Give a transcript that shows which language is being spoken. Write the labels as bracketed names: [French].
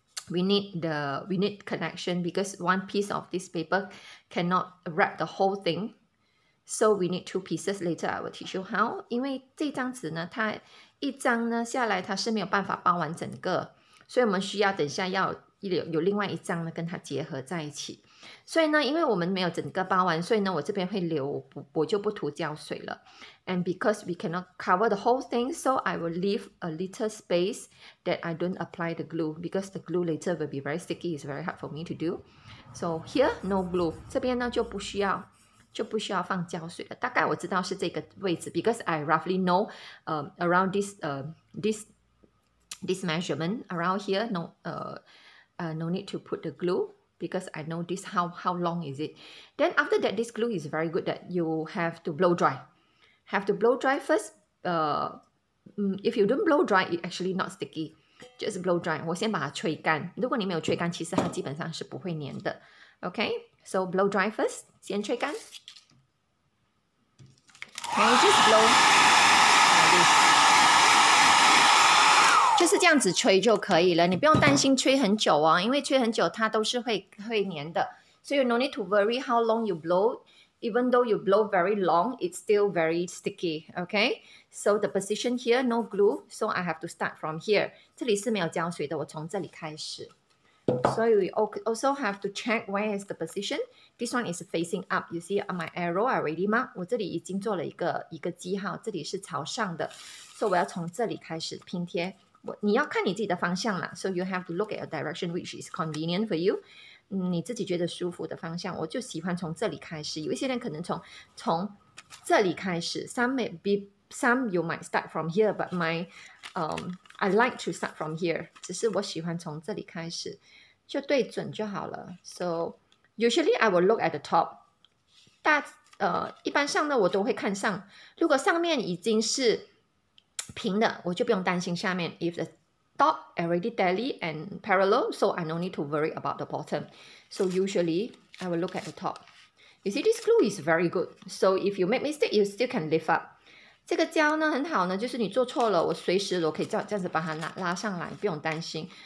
[English] we need connection because one piece of this paper cannot wrap the whole thing so we need two pieces later I will teach you how [Chinese] 因为这张纸呢它一张呢下来它是没有办法包完整个所以我们需要等一下要 有另外一张跟它结合在一起。所以呢，因为我们没有整个包完，所以呢我这边会留， 我就不涂胶水了。 [English] And because we cannot cover the whole thing, so I will leave a little space that I don't apply the glue, because the glue later will be very sticky, it's very hard for me to do. So here no glue, [Chinese] 这边呢就不需要，就不需要放胶水了。大概我知道是这个位置， [English] because I roughly know around this, this measurement around here, no need to put the glue, because I know this how long is it. Then after that, this glue is very good that you have to blow dry. Have to blow dry first. If you don't blow dry, it's actually not sticky. Just blow dry. [Chinese] 我先把它吹干。如果你没有吹干，其实它基本上是不会粘的。 [English] Okay, so blow dry first. [Chinese] 先吹干。 [English] Okay, just blow. Like this. [Chinese] 就是这样子吹就可以了，你不用担心吹很久哦，因为吹很久它都是会粘的。 [English] So you no need to worry how long you blow. Even though you blow very long, it's still very sticky. Okay, so the position here, no glue. So I have to start from here. [Chinese] 这里是没有胶水的，我从这里开始。 [English] So we also have to check where is the position. This one is facing up. You see on my arrow already marked. [Chinese] 我这里已经做了一个记号，这里是朝上的。 So 我要从这里开始拼贴。你要看你自己的方向了。 [English] So you have to look at a direction which is convenient for you. [Chinese] 你自己觉得舒服的方向，我就喜欢从这里开始。有一些人可能从这里开始。 [English] Some you might start from here, but I like to start from here. [Chinese] 只是我喜欢从这里开始，就对准就好了。 [English] So usually I will look at the top. [Chinese] 一般上呢，我都会看上。如果上面已经是平的，我就不用担心下面。 [English] If the top already tally and parallel, so I no need to worry about the bottom. So usually I will look at the top. You see, this glue is very good. So if you make mistake, you still can lift up. [Chinese] 这个胶呢很好呢，就是你做错了，我随时我可以这样子把它拉上来，不用担心。